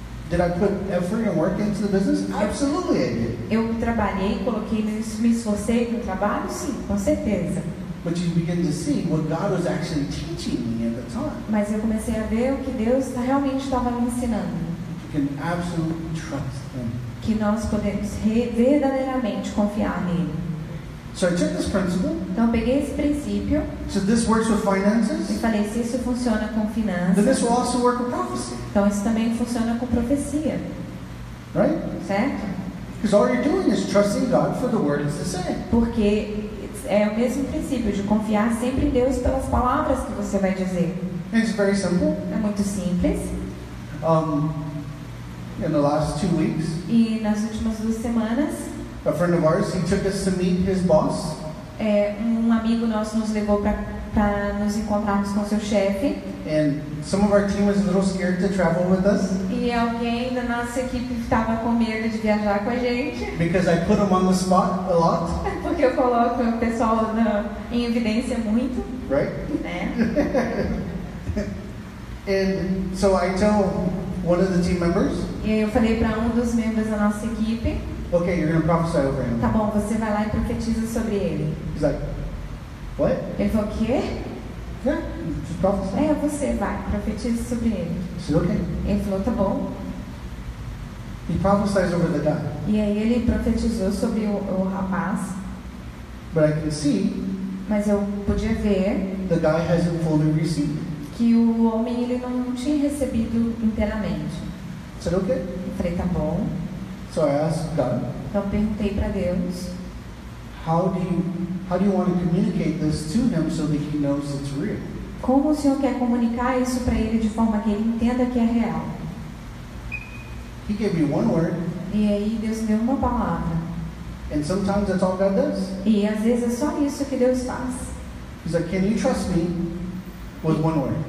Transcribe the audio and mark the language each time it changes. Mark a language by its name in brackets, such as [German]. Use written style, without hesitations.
[English] Did I put effort and work into the business? Absolutely, I did. [Portuguese] Eu trabalhei, coloquei, me esforcei no trabalho, sim, com certeza. [English] But you begin to see what God was actually teaching me at the time. [Portuguese] Mas eu comecei a ver o que Deus realmente estava me ensinando. [English] You can absolutely trust Him. [Portuguese] Que nós podemos verdadeiramente confiar nele. [English] So I took this principle. [Portuguese] Então peguei esse princípio. [English] So this works with finances. [Portuguese] E falei, se isso funciona com finanças. [English] Then this will also work with prophecy. [Portuguese] Então isso também funciona com profecia. [English] Right? [Portuguese] Certo? [English] Because all you're doing is trusting God for the word it's to say. [Portuguese] Porque é o mesmo princípio de confiar sempre em Deus pelas palavras que você vai dizer. [English] It's very simple. [Portuguese] É muito simples. [English] In the last 2 weeks. [Portuguese] E nas últimas 2 semanas. [English] A friend of ours, he took us to meet his boss. [Portuguese] É, um amigo nosso nos levou para nos encontrarmos com seu chefe. [English] And some of our team was a little scared to travel with us. [Portuguese] E alguém da nossa equipe estava com medo de viajar com a gente. [English] Because I put him on the spot a lot. [Portuguese] Porque eu coloco o pessoal em evidência muito. [English] Right? [Portuguese] Né? [English] And so I tell one of the team members. [Portuguese] E eu falei para dos membros da nossa equipe. [English] Okay, you're gonna prophesy over him. [Portuguese] Tá bom, você vai lá e profetiza sobre ele. [English] He's like, what? [Portuguese] Ele falou, o quê? [English] Yeah, just prophesy. [Portuguese] É, você vai, profetiza sobre ele. [English] Said, okay. [Portuguese] Ele falou, tá bom. [English] He prophesies over the guy. [Portuguese] E aí ele profetizou sobre o rapaz. [English] But I can see. [Portuguese] Mas eu podia ver. [English] The guy hasn't fully received. [Portuguese] Que o homem ele não tinha recebido inteiramente. [English] Said, okay. [Portuguese] Eu falei, tá bom. [English] So I asked God. [Portuguese] Então perguntei para Deus. [English] How do you want to communicate this to him so that he knows it's real? [Portuguese] Como o Senhor quer comunicar isso para ele de forma que ele entenda que é real? [English] He gave me one word. [Portuguese] E aí Deus me deu uma palavra. [English] And sometimes that's all God does. [Portuguese] E às vezes é só isso que Deus faz. [English] He's like, can you trust me with one word?